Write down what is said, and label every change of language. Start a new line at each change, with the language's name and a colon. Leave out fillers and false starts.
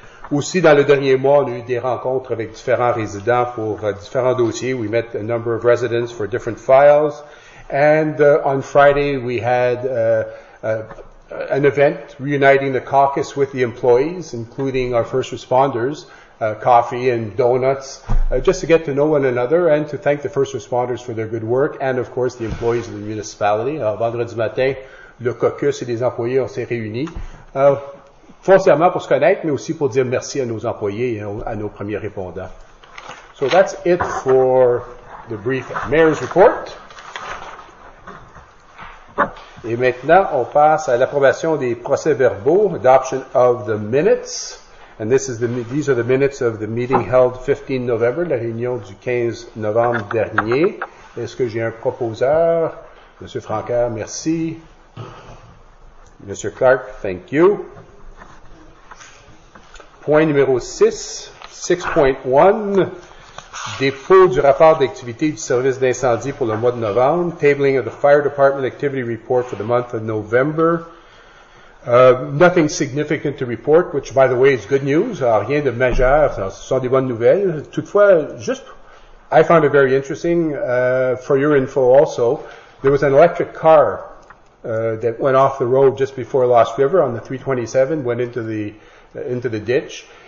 French: Aussi, dans le dernier mois, on a eu des rencontres avec différents résidents pour différents dossiers.
English: We met a number of residents for different files. And on Friday, we had an event reuniting the caucus with the employees, including our first responders, coffee and donuts, just to get to know one another and to thank the first responders for their good work and, of course, the employees of the municipality.
French: Vendredi matin, le caucus et les employés, on s'est réunis, foncièrement pour se connaître, mais aussi pour dire merci à nos employés et à nos premiers répondants.
English: So that's it for the brief mayor's report.
French: Et maintenant, on passe à l'approbation des procès-verbaux,
English: adoption of the minutes. And these are the minutes of the meeting held 15 November,
French: la réunion du 15 novembre dernier. Est-ce que j'ai un proposeur? Monsieur Francaire, merci.
English: Monsieur Clark, thank you.
French: Point numéro 6.1. Dépôt du rapport d'activité du service d'incendie pour le mois de novembre.
English: Tabling of the Fire Department Activity Report for the month of November. Nothing significant to report, which, by the way, is good news.
French: Rien de majeur. Alors, ce sont des bonnes nouvelles. Toutefois,
English: I found it very interesting. For your info also, there was an electric car that went off the road just before Lost River on the 327, went into the ditch.